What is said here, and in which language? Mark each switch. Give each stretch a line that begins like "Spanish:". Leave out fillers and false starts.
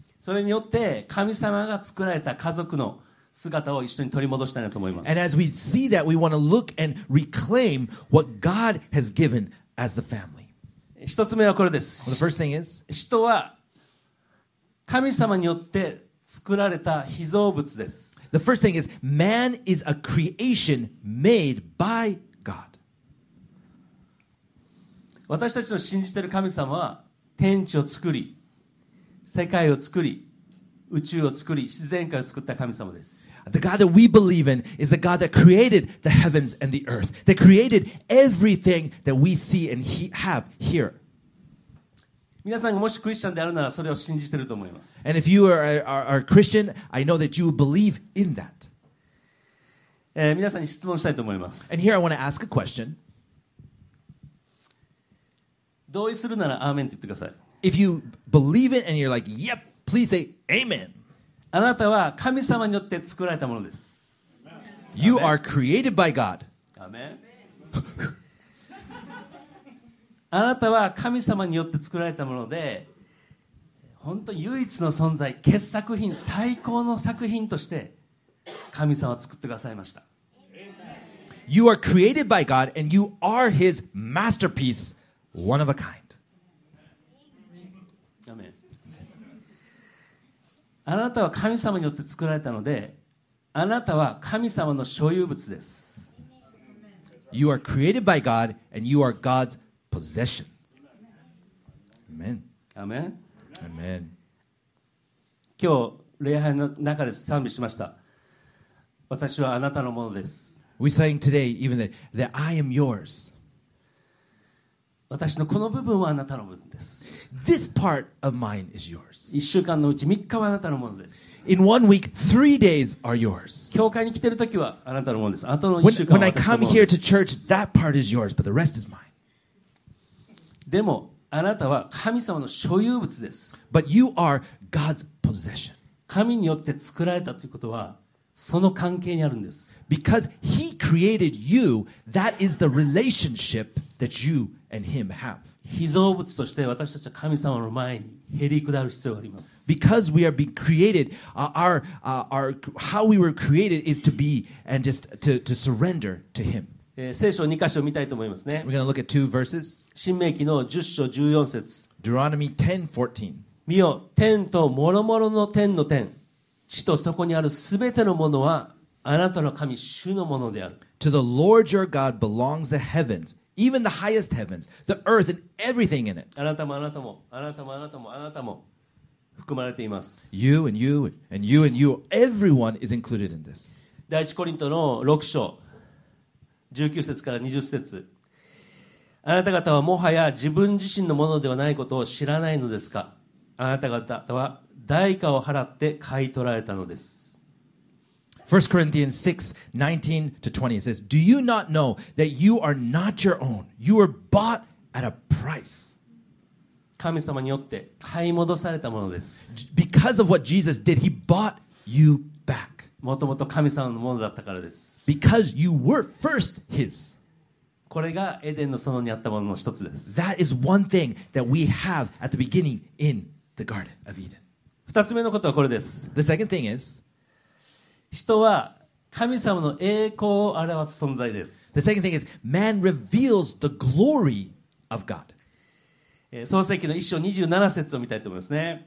Japanese: それによって神様が作られた家族の姿を一緒に取り戻したいなと思います。
English: And as we see that, we want to look and reclaim what God has given as the family.
Japanese: 一つ目はこれです。
English: Well, the first thing is,
Japanese: 人は神様によって作られた被造物です。
English: The first thing is, man is a creation made by God.
Japanese: 私たちの信じている神様は天地を作り、世界を作り、宇宙を作り、自然界を作った神様です。
English: The God that we believe in is the God that created the heavens and the earth, that created everything that we see and have here.
Japanese: 皆さんがもしクリスチャンであるならそれを信じていると思います。
English: And if you are a Christian, I know that you believe in that.
Japanese: 皆さんに質問したいと思います。
English: And here I want to ask a question.
Japanese: 同意するならアーメンって言ってください。
English: If you believe it and you're like, yep, please say amen.
Japanese: あなたは神様によって作られたものです。
English: You are created by God.
Japanese: アーメン。あなたは神様によって作られたもので、本当唯一の存在、傑作品、最高の作品として神様を作ってくださいました。
English: You are created by God and you are His masterpiece. One of a kind. Amen.
Japanese: あなたは神様によって作られたので、あなたは神様の所有物です。
English: You are created by God and you are God's possession. Amen. Amen. Amen.
Japanese: 今日礼拝の中で賛美しました。私はあなたのものです。
English: We sang today even that I am yours.
Japanese: 私のこの部分はあなたの部分です。
English: This part of mine is yours.
Japanese: 1週間のうち3日はあなたのものです。
English: In one week, three days are yours.
Japanese: 教会に来てるときはあなたのものです。あとの1週間は私のものです。
English: When I come here to church, that part is yours, but the rest is mine.
Japanese: でもあなたは神様の所有物です。
English: But you are God's possession.
Japanese: 神によって作られたということはその関係にあるんです。
English: Because He created you, that is the relationship that you and Him have.
Japanese: 被造物として私たちは神様の前にへり下る必要があります。
English: Because we are being created, our how we were created is to be and just to surrender to Him.
Japanese: 聖書2箇所見たいと思いますね。
English: We're going to look at two verses.
Japanese: 申命記の10章14節。
English: Deuteronomy 10:14.
Japanese: 見よ、天と諸々の天の天。地とそこにあるすべてのものはあなたの神主のものである。
English: To the Lord your God belongs the heavens, even the highest heavens, the earth and everything in it.
Japanese: あなたもあなたもあなたもあなたもあなたも含まれています。
English: You and you and you and you, everyone is included in this.
Japanese: 第一コリントの6章19節から20節。あなた方はもはや自分自身のものではないことを知らないのですか？あなた方は代価を払って買い取られたのです。
English: 1 Corinthians 6:19-20 says, Do you not know that you are not your own? You were bought at a price.
Japanese: 神様によって買い戻されたものです。
English: Because of what Jesus did, He bought you back.
Japanese: もともと神様のものだったからです。
English: Because you were first His.
Japanese: これがエデンの園にあったものの一つです。
English: That is one thing that we have at the beginning in the Garden of Eden.
Japanese: 二つ目のことはこれです。
English: The second thing is,
Japanese: 人は神様の栄光を表す存在です。
English: The second thing is, man reveals the glory of God.
Japanese: 創世記の1章27節を見たいと思いますね。